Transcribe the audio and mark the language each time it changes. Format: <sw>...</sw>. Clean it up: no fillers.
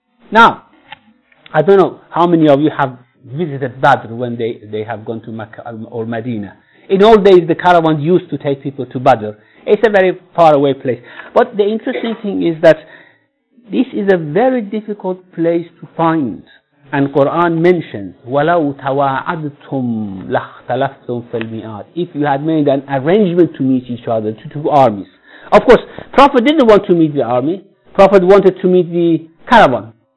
<en>Now, I don't know how many of you have visited Badr when they have gone to Mecca or Medina. In old days, the caravans used to take people to Badr. It's a very far away place. But the interesting thing is that this is a very difficult place to find. And Quran mentions,</en> <ar>وَلَوْ تَوَاعَدْتُمْ لَخْتَلَفْتُمْ فِي الْمِيَادِ.</ar> <en>If you had made an arrangement to meet each other, two armies. Of course, Prophet didn't want to meet the army. Prophet wanted to meet the caravan.</en>